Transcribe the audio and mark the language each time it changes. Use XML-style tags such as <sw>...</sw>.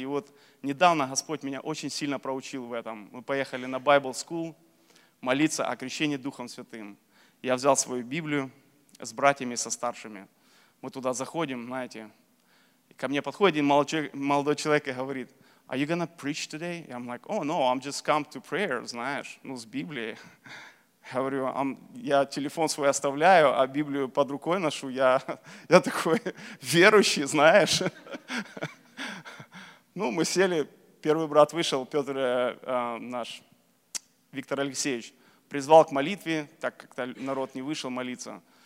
<ru>И вот недавно Господь меня очень сильно проучил в этом. Мы поехали на</ru> <en>Bible School</en> <ru>молиться о крещении Духом Святым. Я взял свою Библию с братьями, со старшими. Мы туда заходим, знаете.</ru> <en>Ко мне подходит один молодой человек и говорит, «Are you gonna preach today?»</en> <ru>И I'm like, «Oh, no, I'm just come to prayer, знаешь, ну, с Библией». Говорю, я телефон свой оставляю, а Библию под рукой ношу. Я такой верующий, знаешь. Ну, мы сели, первый брат вышел, Петр наш, Виктор Алексеевич, призвал к молитве, так как-то народ не вышел молиться.</ru>